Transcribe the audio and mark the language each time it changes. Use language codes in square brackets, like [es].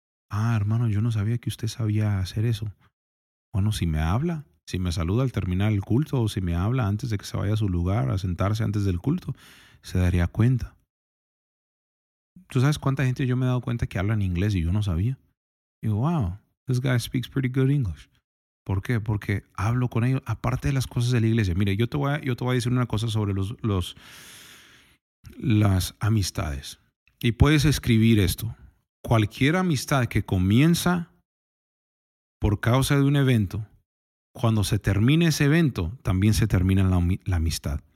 [es] Ah, hermano, yo no sabía que usted sabía hacer eso. Bueno, si me habla, si me saluda al terminar el culto o si me habla antes de que se vaya a su lugar a sentarse antes del culto, se daría cuenta. ¿Tú sabes cuánta gente yo me he dado cuenta que hablan inglés y yo no sabía? [en] Digo, wow, this guy speaks pretty good English. [es] ¿Por qué? Porque hablo con ellos, aparte de las cosas de la iglesia. Mire, yo te voy a decir una cosa sobre las amistades. Y puedes escribir esto. Cualquier amistad que comienza por causa de un evento, cuando se termina ese evento, también se termina la amistad.